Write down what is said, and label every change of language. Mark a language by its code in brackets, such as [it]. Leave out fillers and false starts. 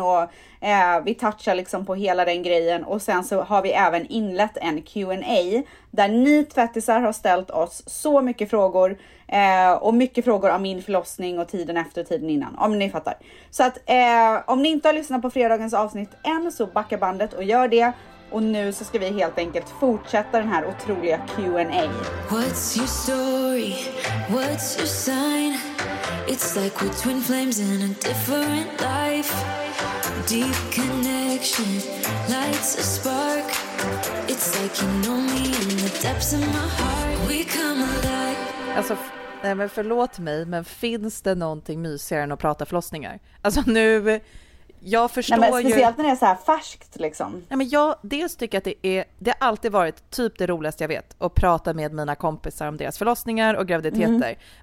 [sv] Och vi touchar liksom på hela den grejen. Och sen så har vi även inlett en Q&A där ni tvättisar har ställt oss så mycket frågor. Och mycket frågor om min förlossning och tiden efter och tiden innan, om ni fattar. Så att om ni inte har lyssnat på fredagens avsnitt än, så backa bandet och gör det. Och nu så ska vi helt enkelt fortsätta den här otroliga Q&A. [en] What's your story? What's your sign? It's like we're twin flames in a different life. Deep connection, lights a spark. It's like you know me in the depths of my heart. We come alive. [sv] Alltså, nej men förlåt mig, men finns det någonting mysigare än att prata förlossningar? Alltså nu, jag förstår ju... Speciellt när det är så här färskt liksom. Nej men jag dels tycker att det har alltid varit typ det roligaste jag vet, att prata med mina kompisar om deras förlossningar och graviditeter. Mm.